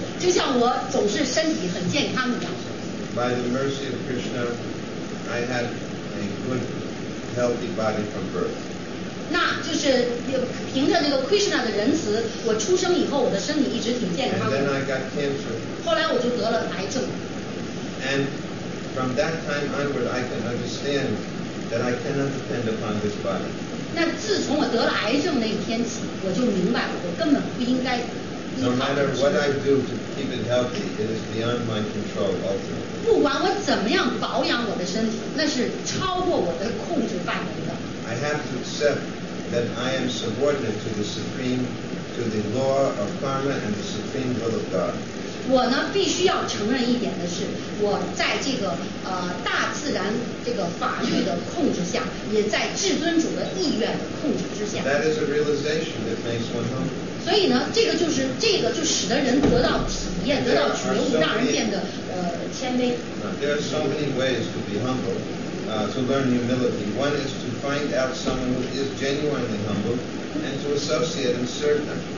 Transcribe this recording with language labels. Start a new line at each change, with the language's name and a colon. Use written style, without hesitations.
Chinese: 就像我总是身体很健康一样。
English: By the mercy of Krishna, I had a good, healthy body from birth.
Chinese: 那就是凭着那个 Krishna 的仁慈，我出生以后我的身体一直挺健康的。
English: And then I got cancer.
Chinese: 后来我就得了癌症。
English: And from that time onward, I can understand that I cannot depend upon this body.
Chinese: 那自从我得了癌症那一天起，我就明白了，我根本不应该。
English: No matter what I do to keep it healthy, it is beyond my control ultimately.
Chinese: 不管我怎么样保养我的身体，那是超过我的控制范围的。
English: I have to accept that I am subordinate to the supreme, to the law of karma and the supreme will of God.
Chinese: 我呢必须要承认一点的是，我在这个大自然这个法律的控制下，也在至尊主的意愿的控制之下。
English: That is a realization that makes one humble.
Chinese: 所以呢，这个就使得人得到体验，得到觉悟，让人变得谦卑。
English: There are so many ways to be humble. To learn humility. One is to find out someone who is genuinely humble and to associate and serve them.